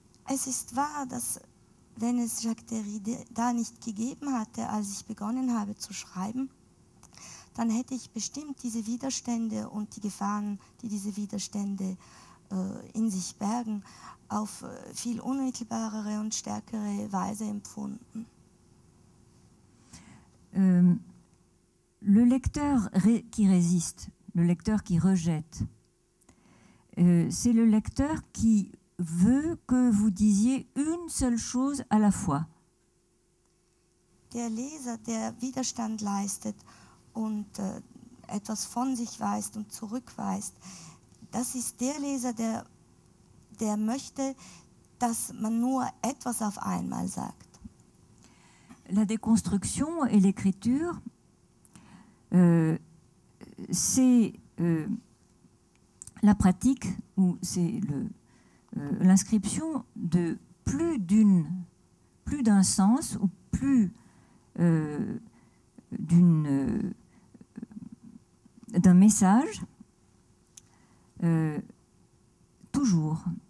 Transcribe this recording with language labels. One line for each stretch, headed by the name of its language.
German: Es ist wahr, dass wenn es Jacques Derrida nicht gegeben hatte, als ich begonnen habe zu schreiben, dann hätte ich bestimmt diese Widerstände und die Gefahren, die diese Widerstände in sich bergen, auf viel unmittelbarere und stärkere Weise empfunden.
French: Le lecteur qui résiste, le lecteur qui rejette, c'est le lecteur qui veut que vous disiez une seule chose à la fois.
German: Der Leser, der Widerstand leistet und etwas von sich weist und zurückweist, das ist der Leser, der möchte, dass man nur etwas auf einmal sagt.
French: La déconstruction et l'écriture, c'est la pratique ou c'est l'inscription de plus d'un sens ou plus d'un message toujours.